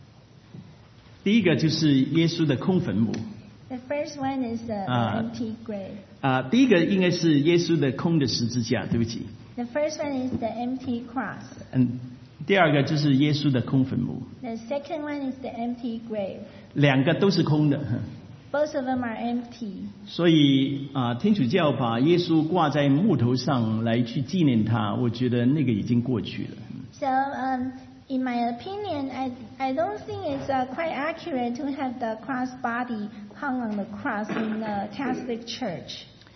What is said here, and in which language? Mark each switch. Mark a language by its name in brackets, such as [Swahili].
[Chinese] 你们帮我放。第一个就是耶稣的空坟墓。 [English] The first one is the empty grave. [Chinese] 第一个应该是耶稣的空的十字架，对不起。 [English] The first one is the empty cross. [Chinese] 第二个就是耶稣的空坟墓。The [English] second one is the empty grave. [Chinese] 两个都是空的。 [English] Both of them are empty. [Chinese] 所以, 天主教把耶稣挂在木头上来去纪念他, 我觉得那个已经过去了。 [English] So, in my opinion, I don't think it's quite accurate to have the cross body hung on the cross in the Catholic Church.